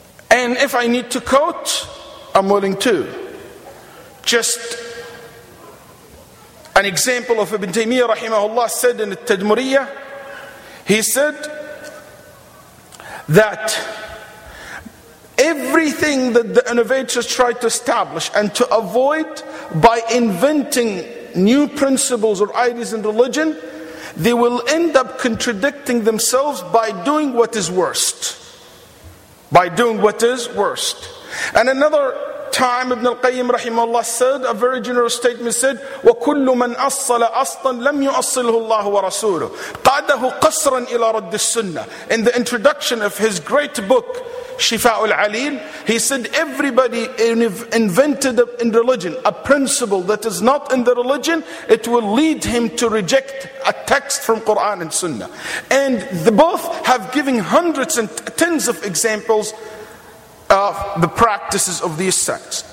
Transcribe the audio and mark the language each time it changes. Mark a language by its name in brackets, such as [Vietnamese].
[English] And if I need to quote, I'm willing to. Just an example of Ibn Taymiyyah rahimahullah said in At-Tadmuriyya, he said that everything that the innovators tried to establish and to avoid by inventing new principles or ideas in religion, they will end up contradicting themselves by doing what is worst. By doing what is worst. And another time, Ibn al-Qayyim rahimahullah said, a very general statement said, [Arabic] وَكُلُّ مَنْ أَصَّلَ أَصْلًا لَمْ يُؤَصِّلْهُ اللَّهُ وَرَسُولُهُ قَادَهُ قَصْرًا إِلَى رَدِّ السُّنَّةِ. [English] In the introduction of his great book, Shifa'ul Alil, he said, everybody invented in religion a principle that is not in the religion, it will lead him to reject a text from Quran and Sunnah. And the both have given hundreds and tens of examples of the practices of these sects.